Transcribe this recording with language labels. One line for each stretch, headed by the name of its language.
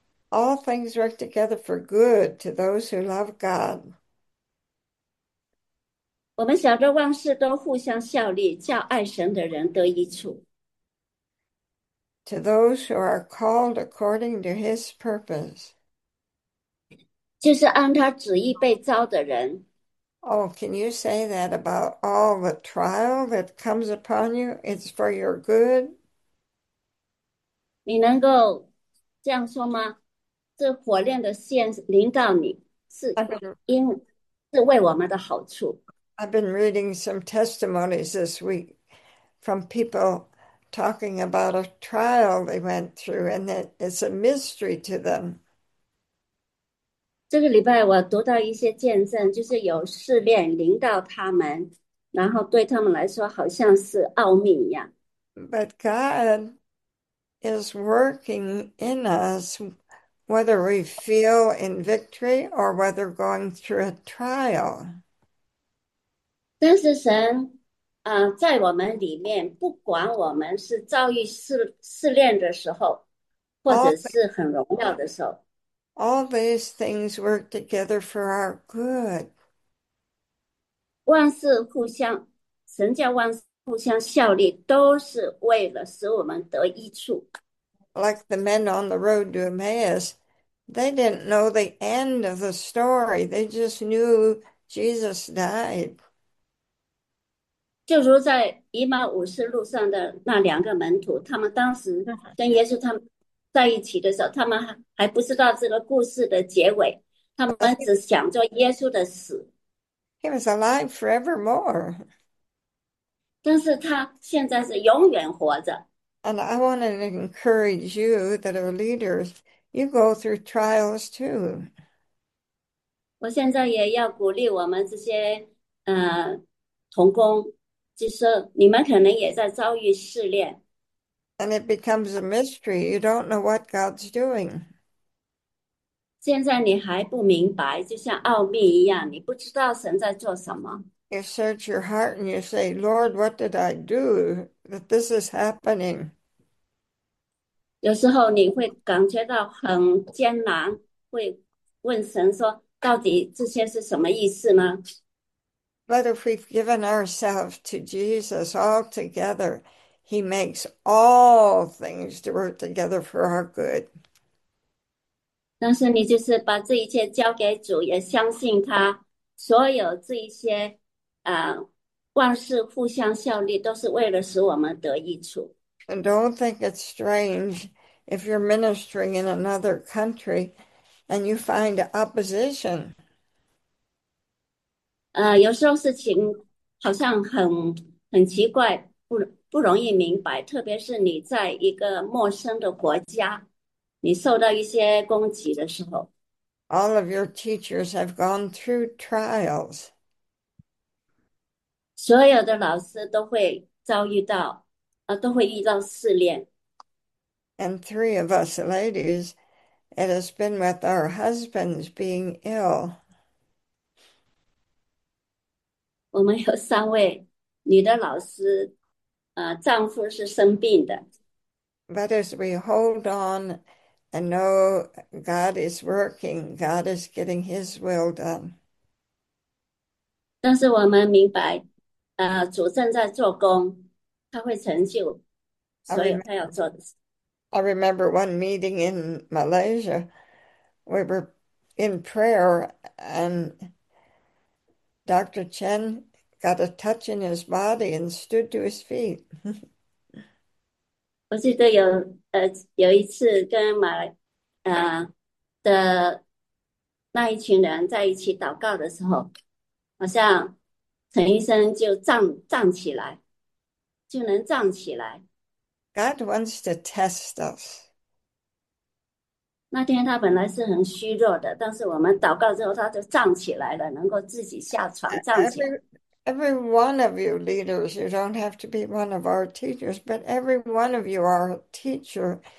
English: All things work together for good to those who love God.
Chinese: 我们晓得万事都互相效力，叫爱神的人得益处。
English: To those who are called according to his purpose.
Chinese: 就是按他旨意被召的人。
English: Oh, can you say that about all the trial that comes upon you? It's for your good.
Chinese: 你能够这样说吗？这火炼的试验临到你，是为我们的好处。
English: I've been reading some testimonies this week from people talking about a trial they went through, and that it's a mystery to them.
Chinese: 这个礼拜我读到一些见证，就是有试炼临到他们，然后对他们来说，好像是奥秘一样。
English: But God is working in us, whether we feel in victory or whether going through a trial.
Chinese: 但是神，在我们里面，不管我们是遭遇试炼的时候，或者是很荣耀的时候，
English: All these things work together for our good.
Chinese: 万事互相，神叫万事互相效力，都是为了使我们得益处。
English: Like the men on the road to Emmaus, they didn't know the end of the story. They just knew Jesus died.
Chinese: 就如在以马忤斯路上的那两个门徒，他们当时跟耶稣他们在一起的时候，他们还不知道这个故事的结尾，他们只想着耶稣的死。
English: He was alive forevermore.
Chinese: 但是他现在是永远活着。
English: And I want to encourage you that are leaders, you go through trials too.
Chinese: 我现在也要鼓励我们这些童工。就是你们可能也在遭遇试炼，
English: And it becomes a mystery. You don't know what God's doing.
Chinese: 现在你还不明白，就像奥秘一样，你不知道神在做什么。
English: You search your heart and you say, Lord, what did I do that this is happening?
Chinese: 有时候你会感觉到很艰难，会问神说：“到底这些是什么意思呢？”
English: But if we've given ourselves to Jesus altogether, He makes all things to work together for our good.
Chinese: 但是你就是把这一切交给主，也相信他，所有这一些，万事互相效力，都是为了使我们得益处。
English: And don't think it's strange if you're ministering in another country and you find opposition.
Chinese: 有时候事情好像很奇怪，不容易明白，特别是你在一个陌生的国家。你受到一些攻击的时候，
English: All of your teachers have gone through trials.
Chinese: 所有的老师都会遭遇到，都会遇到试炼。
English: And three of us ladies, it has been with our husbands being ill.
Chinese: 我们有三位女的老师，丈夫是生病的。
English: But as we hold on and know God is working, God is getting His will done.
Chinese: 但是我们明白，主正在做工，他会成就所有他要做的事。
English: I remember one meeting in Malaysia. We were in prayer, and Dr. Chen got a touch in his body and stood to his feet.
Chinese: 我记得有一次跟的那一群人在一起祷告的时候。好像陈医生就站起来，就能站起来。
English: God wants to test us.
Chinese: 那天他本来是很虚弱的，但是我们祷告之后，他就站起来了，能够自己下床站起来。
English: Every one of you leaders, you don't have to be one of our teachers, but every one of you are a teacher.